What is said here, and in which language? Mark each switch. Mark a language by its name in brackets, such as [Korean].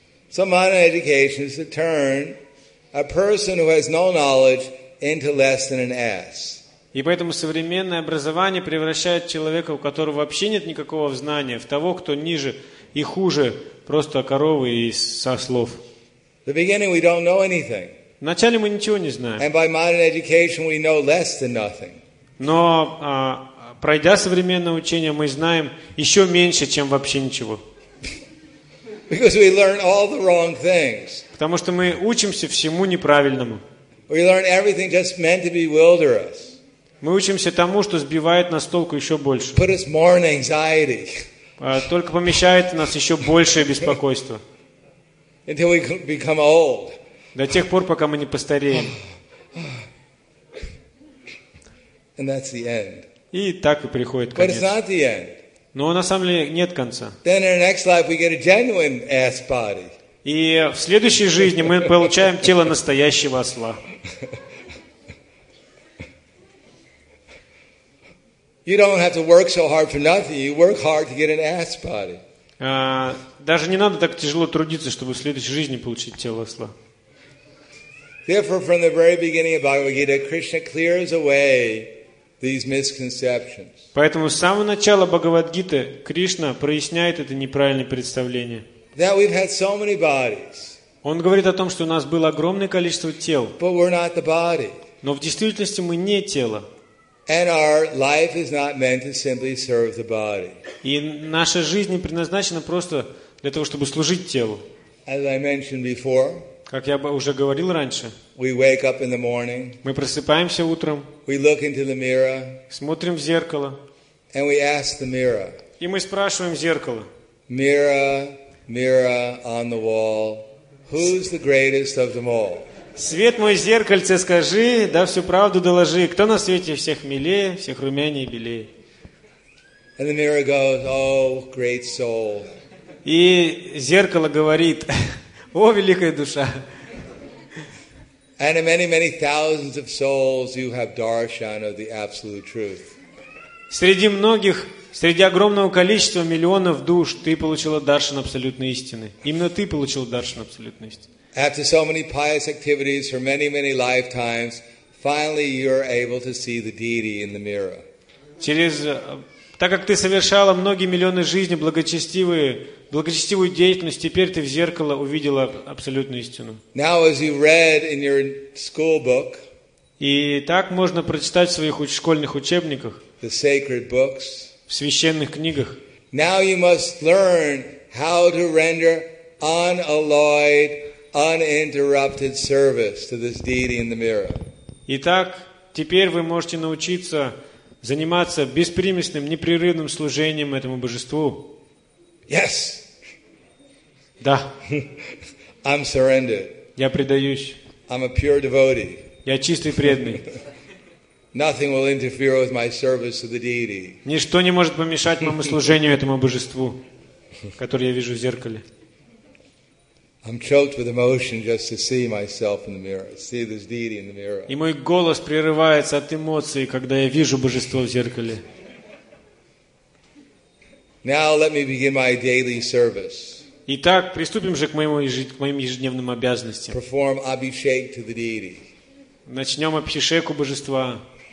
[English] So modern education is to turn a person who has no knowledge into less than an ass. [Russian] И поэтому современное образование превращает человека, у которого вообще нет никакого знания, в того, кто ниже и хуже просто коровы и сослов. [English] In the beginning we don't know anything. [Russian] Вначале мы ничего не знаем. [English] And by modern education we know less than nothing. [Russian] Но пройдя современное учение, мы знаем еще меньше, чем вообще ничего. [English] Because we learn all the wrong things. [Russian] Потому что мы учимся всему неправильному. [English] We learn everything just meant to bewilder us. [Russian] Мы учимся тому, что сбивает нас с толку еще больше. [English] Put us more in anxiety. [Russian] Только помещает в нас еще большее беспокойство. [English] Until we become old. [Russian] До тех пор, пока мы не постареем. [English] And that's the end. [Russian] И так и приходит конец. [English] But it's not the end. [Russian] Но на самом деле нет конца. [English] Then in our next life we get a genuine ass body. [Russian] И в следующей жизни мы получаем тело настоящего осла. [English] You don't have to work so hard for nothing. You work hard to get an ass body. [Russian] Даже не надо так тяжело трудиться, чтобы в следующей жизни получить тело осла. [English] Therefore, from the very beginning of Bhagavad Gita, Krishna clears away these misconceptions. [Russian] Поэтому с самого начала Бхагавад-гиты Кришна проясняет это неправильное представление. [English] That we've had so many bodies. [Russian] Он говорит о том, что у нас было огромное количество тел. [English] But we're not the body. [Russian] Но в действительности мы не тело. [English] And our life is not meant to simply serve the body. [Russian] И наша жизнь не предназначена просто для того, чтобы служить телу. [English] As I mentioned before, [Russian] как я уже говорил раньше, [English] we wake up in the morning. [Russian] Мы просыпаемся утром. [English] We look into the mirror. [Russian] Смотрим в зеркало. [English] And we ask the mirror. [Russian] И мы спрашиваем зеркало. [English] Mirror, mirror on the wall, who's the greatest of them all? [Russian] Свет мой, зеркальце, скажи, да всю правду доложи. Кто на свете всех милее, всех румянее и белее? [English] And the mirror goes, oh, great soul. [Russian] И зеркало говорит, о, великая душа. [English] And in many, many thousands of souls, you have darshan of the absolute truth. [Russian] Среди многих, среди огромного количества миллионов душ, ты получила даршан абсолютной истины. Именно ты получил даршан абсолютной истины. [English] After so many pious activities for many, many lifetimes, finally you're able to see the deity in the mirror. [Russian] Через, так как ты совершала многие миллионы жизней благочестивую деятельность, теперь ты в зеркало увидела абсолютную истину. [English] Now, as you read in your school book, [Russian] и так можно прочитать в своих школьных учебниках, [English] the sacred books, [Russian] в священных книгах. [English] Now you must learn how to render unalloyed, uninterrupted service to this deity in the mirror. [Russian] Итак, теперь вы можете научиться заниматься беспримесным, непрерывным служением этому божеству. [English] Yes. [Russian] Да. [English] I'm surrendered. [Russian] Я предаюсь. [English] I'm a pure devotee. [Russian] Я чистый преданный. [English] Nothing will interfere with my service to the deity. [Russian] Ничто не может помешать моему служению этому божеству, которое я вижу в зеркале. [English] I'm choked with emotion just to see myself in the mirror, see this deity in the mirror. [Russian] И мой голос прерывается от эмоций, когда я вижу божество в зеркале. [English] Now let me begin my daily service. [Russian] Итак, приступим же к моим ежедневным обязанностям. [English] Perform abhishek to the deity. [Russian] Начнем абхишеку божества.